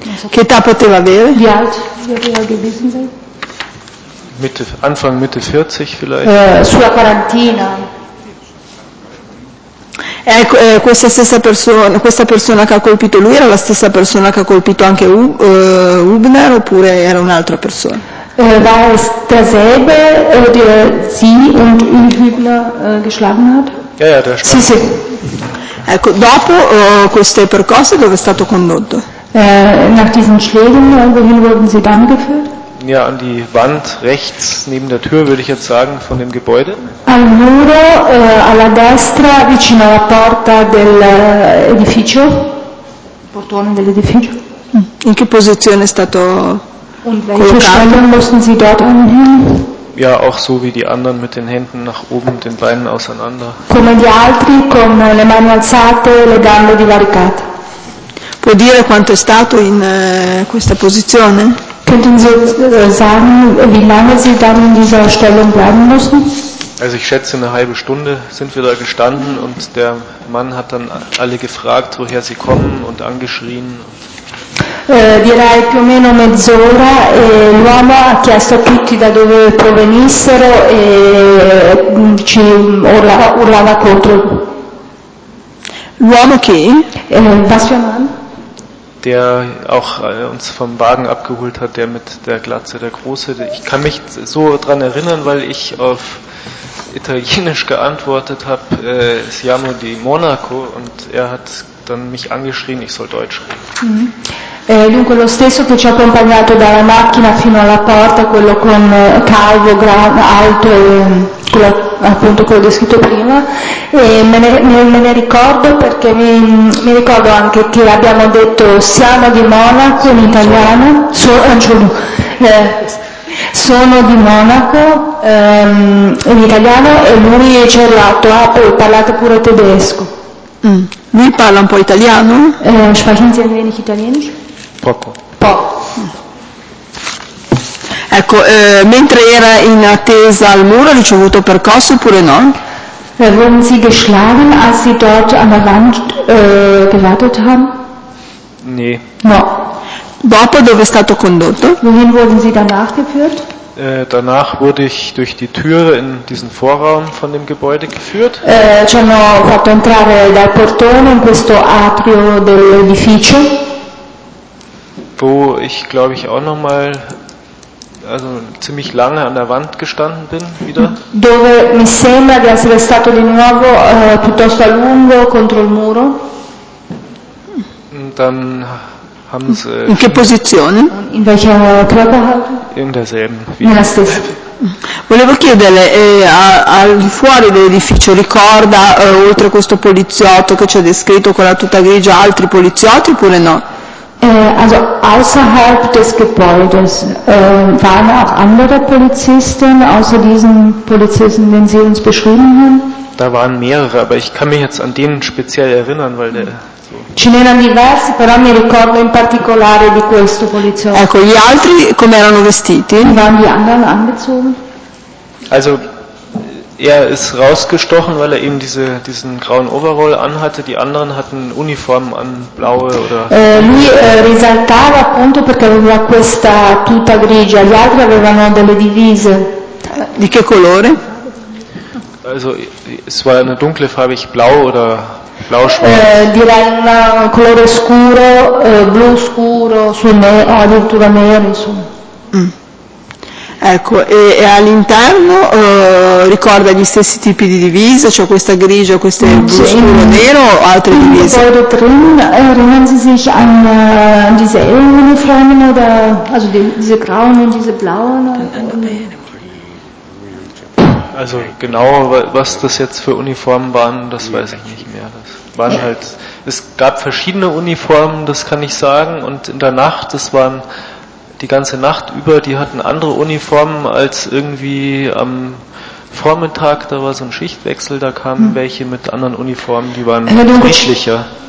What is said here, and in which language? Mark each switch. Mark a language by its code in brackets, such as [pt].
[it] Che età poteva avere? [de] Wie alt [it] aveva [de] gewesen sein? Anfang, Mitte 40 vielleicht. [it] Sulla quarantina. Ecco, questa stessa persona, questa persona che ha colpito lui era la stessa persona che ha colpito anche Hubner oppure era un'altra persona? [de] War es derselbe, der sie und Hübner geschlagen hat? Ja, der [it] sì, sì. Ecco, dopo queste percosse dove è stato condotto? [de] Nach diesen Schlägen, wohin wurden sie dann geführt? Ja, an die Wand rechts neben der Tür, würde ich jetzt sagen, von dem Gebäude. [it] Al muro, alla destra, vicino alla porta dell'edificio. Portone dell'edificio. In che posizione è stato colocato? [de] Und welche Stellung mussten Sie dort annehmen? Ja, auch so wie die anderen mit den Händen nach oben, den Beinen auseinander. [it] Come gli altri, con le mani alzate, le gambe divaricate. Può dire quanto è stato in questa posizione? [de] Könnten Sie sagen, wie lange Sie dann in dieser Stellung bleiben mussten? Also ich schätze, eine halbe Stunde sind wir da gestanden und der Mann hat dann alle gefragt, woher sie kommen und angeschrien. [it] Direi più o meno mezz'ora e l'uomo ha chiesto a tutti da dove provenissero e ci urlava contro. L'uomo che? [de] Was für ein Mann? Der auch uns vom Wagen abgeholt hat, der mit der Glatze, der Große. Ich kann mich so dran erinnern, weil ich auf Italienisch geantwortet habe, [it] Siamo di Monaco, [de] und er hat dann mich angeschrien, ich soll Deutsch reden. [it] Dunque lo stesso che ci ha accompagnato dalla macchina fino alla porta, quello con calvo, alto, quello, appunto quello descritto prima, e me ne ricordo perché mi ricordo anche che abbiamo detto siamo di Monaco in italiano, sono di Monaco in italiano e lui ci ha urlato, ha parlato pure tedesco. Lui parla un po' italiano? [de] Sprechen Sie ein wenig italienisch? [it] Poco. Ecco, mentre era in attesa al muro ha ricevuto percosse oppure no? [de] Wurden Sie geschlagen, als Sie dort an der Wand gewartet haben? Nee. [it] No. Dopo dove è stato condotto? [de] Wohin wurden Sie danach geführt? Danach wurde ich durch die Tür in diesen Vorraum von dem Gebäude geführt. [it] Ci hanno fatto entrare dal portone in questo atrio dell'edificio. [de] Wo ich, glaube ich, auch nochmal, also ziemlich lange an der Wand gestanden bin, wieder. [it] Dove mi sembra di essere stato di nuovo piuttosto a lungo contro il muro. [de] Und dann haben sie... [it] In che posizione? [de] In welcher Körperhaltung? In derselben. [it] Nella stessa. Volevo chiederle, al di fuori dell'edificio, ricorda, oltre questo poliziotto che ci ha descritto con la tuta grigia, altri poliziotti oppure no? [de] Also außerhalb des Gebäudes waren auch andere Polizisten, außer diesen Polizisten, den Sie uns beschrieben haben? Da waren mehrere, aber ich kann mich jetzt an denen speziell erinnern, weil der... [it] Ce n'erano diversi, però mi ricordo in particolare di questo poliziotto. Ecco, gli altri come erano vestiti? [de] Waren die anderen angezogen? Also... Er ist rausgestochen, weil er eben diesen grauen Overall anhatte. Die anderen hatten Uniformen an, blaue oder... [it] Lui risaltava appunto perché aveva questa tuta grigia. Gli altri avevano delle divise. Di che colore? [de] Also, es war eine dunkle Farbe, ich blau oder blau-schwarz. [it] Direi un colore scuro, blu scuro, addirittura nero, insomma. Ecco, e all'interno ricorda gli stessi tipi di divise, cioè questa grigia, queste blu, scuro, nero o altre divise? [de] Poi drin, erinnern Sie sich an diese Uniformen oder also diese grauen und diese blauen? Also genau, was das jetzt für Uniformen waren, das weiß ich nicht mehr. waren halt, es gab verschiedene Uniformen, das kann ich sagen, und in der Nacht, das waren die ganze Nacht über, die hatten andere Uniformen als irgendwie am Vormittag, da war so ein Schichtwechsel, da kamen welche mit anderen Uniformen, die waren friedlicher.